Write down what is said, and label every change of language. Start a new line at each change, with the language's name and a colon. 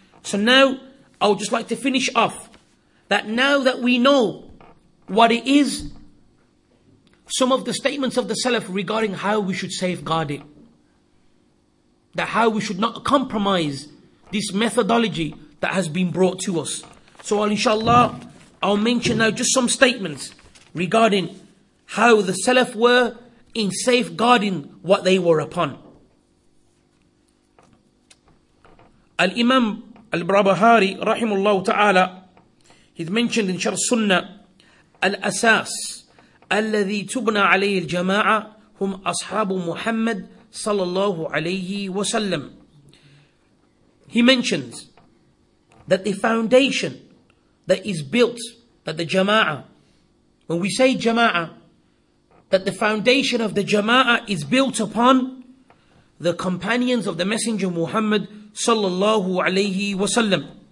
English: So now I would just like to finish off that now that we know what it is, some of the statements of the Salaf regarding how we should safeguard it, that how we should not compromise this methodology that has been brought to us. So inshallah, I'll mention now just some statements regarding how the Salaf were in safeguarding what they were upon.
Arabic: Al-Imam Al-Barbahari rahimullah ta'ala,
English: he's mentioned in
Arabic: Sharh Sunnah, Al-Asas الذي تبنى عليه الجماعة هم أصحاب محمد صلى الله عليه وسلم.
English: He mentions that the foundation that is built, that the jama'a, when we say jama'a, that the foundation of the jama'a is built upon the companions of the Messenger Muhammad صلى الله عليه وسلم.